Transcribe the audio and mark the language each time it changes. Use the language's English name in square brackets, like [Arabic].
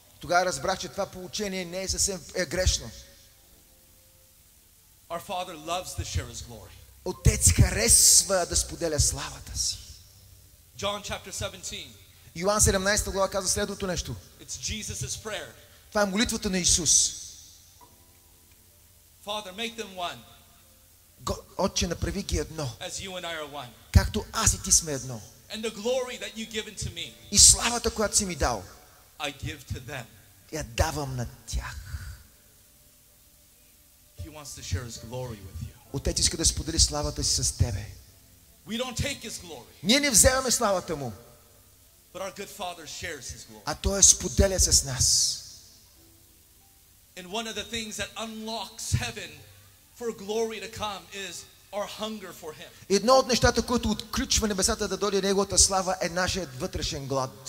[Bulgarian] Тогава разбрах, че това поучение не е съвсем грешно. [English] Our Father loves to share his glory. [Bulgarian] Отец харесва да споделя славата си. [English] John chapter 17. [Bulgarian] Йоан 17 глава казва следното нещо. [English] It's Jesus's prayer. [Bulgarian] Това е молитвата на Исус. [English] Father, make them one. [Bulgarian] Отче, направи ги едно. [English] As you and I are one. [Bulgarian] Както аз и ти сме едно. [English] And the glory that you've given to me. [Bulgarian] И славата, която си ми дал. [English] I give to them. [Bulgarian] Я давам на тях. [English] He wants to share his glory with you. [Bulgarian] Отец иска да сподели славата си с тебе. [English] We don't take his glory. [Bulgarian] Ние не вземаме славата му. [English] But our good Father shares his glory. [Bulgarian] А той споделя с нас. [English] And one of the things that unlocks heaven for glory to come is our hunger for him. [Bulgarian] Едно от нещата, които отключва небесата да дойде неговата слава, е нашият вътрешен глад.